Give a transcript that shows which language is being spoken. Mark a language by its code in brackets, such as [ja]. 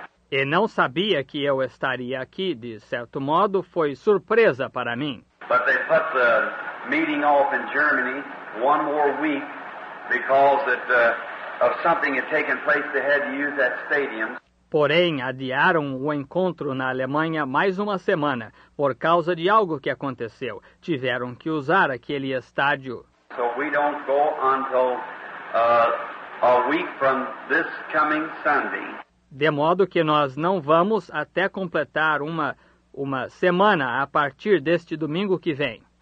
[pt] E não sabia que eu estaria aqui, de certo modo, foi surpresa para mim. [en] But they put the meeting off in Germany one more week because of something had taken place they had to use that stadium. [pt] Porém, adiaram o encontro na Alemanha mais uma semana por causa de algo que aconteceu. Tiveram que usar aquele estádio. [en] So we don't go until a week from this coming Sunday. [pt] De modo que nós não vamos até completar uma semana a partir deste domingo que vem.